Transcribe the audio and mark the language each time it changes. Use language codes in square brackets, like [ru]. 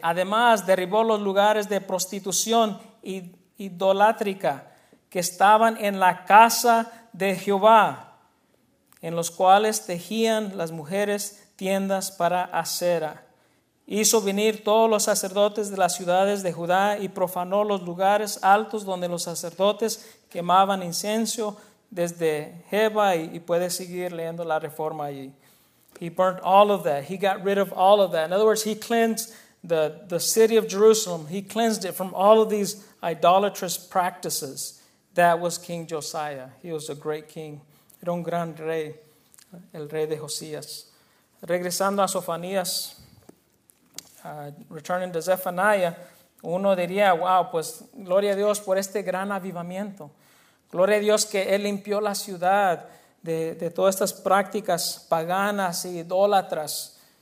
[es] Además, derribó los lugares de prostitución idolátrica que estaban en la casa de Jehová, en los cuales tejían las mujeres tiendas para acera. Hizo venir todos los sacerdotes de las ciudades de Judá y profanó los lugares altos donde los sacerdotes quemaban incienso desde Heba. Y puede seguir leyendo la reforma allí. [en] He burnt all of that. He got rid of all of that. In other words, he cleansed the city of Jerusalem. He cleansed it from all of these idolatrous practices. That was King Josiah. He was a great king. [es] Era un gran rey, el rey de Josías. Regresando a Sofonías, [en] returning to Zephaniah, [es] uno diría, wow, pues gloria a Dios por este gran avivamiento. Gloria a Dios que él limpió la ciudad de todas estas prácticas paganas y idólatras.